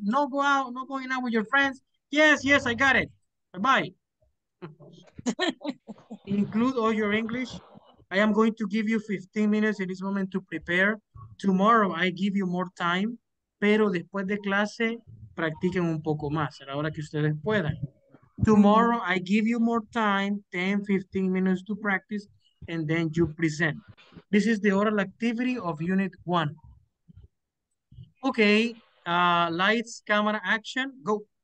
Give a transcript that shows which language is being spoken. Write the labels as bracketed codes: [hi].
[en] No go out, no going out with your friends. Yes, yes, I got it. Bye-bye. Include all your English. I am going to give you 15 minutes in this moment to prepare. Tomorrow, I give you more time. [es] Pero después de clase, practiquen un poco más. A la hora que ustedes puedan. [en] Tomorrow, I give you more time, 10, 15 minutes to practice, and then you present. This is the oral activity of Unit 1. Okay, lights, camera, action, go.